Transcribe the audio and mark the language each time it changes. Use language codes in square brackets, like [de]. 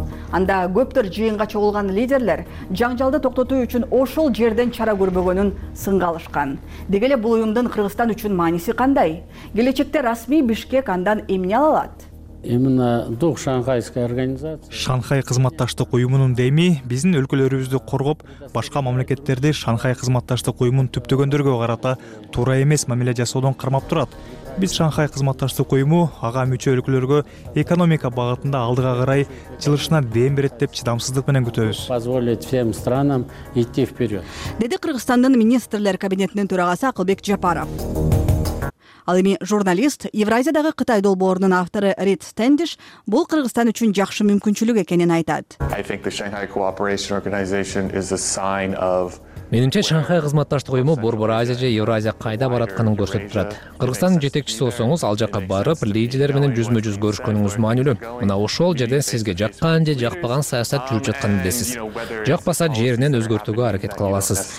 [ky] Анда көптөр жыйынга чогулган лидерлер жаңжалды токтотуу үчүн ошол жерден чара көрбөгөнүн сынга алышкан. Деги эле бул уюмдун Кыргызстан үчүн мааниси кандай? Келечекте расмий Бишкек андан эмне ала алат? [ru] Именно дух Шанхайской организации. [ky] Шанхай кызматташтык уюмунун дейми биздин өлкөлөрүбүздү коргоп, башка мамлекеттерди Шанхай кызматташтык уюмун түптөгөндөргө карата туура эмес мамиле жасоодон кармап турат. Биз Шанхай кызматташтык уюму ага мүчө өлкөлөргө экономика багытында алдыга карай жылышына дем берет деп чыдамсыздык менен күтөбүз. [ru] Позволить всем странам идти вперед. [ky] Деди Кыргызстандын министрлер кабинетинин төрагасы Акылбек Жапаров. Ал эми журналист, Евразиядагы Кытай долбоорунун автору Рид Стендиш бул Кыргызстан үчүн жакшы мүмкүнчүлүк экенин айтат. [en] I think the Shanghai Cooperation Organization is a sign of [ky] Менимче Шанхай кызматташтык уюму Борбор Азия же Евразия кайда баратканын көрсөтүп турат. Кыргызстандын жетекчиси болсоңуз, ал жакка барып, лидерлер менен жүзмө-жүз көрүшкөнүңүз маанилүү. Мына ошол жерден сизге жаккан же жакпаган саясат жүрүп жатканын билесиз. Жакпаса жеринен өзгөртүүгө аракет кыла аласыз.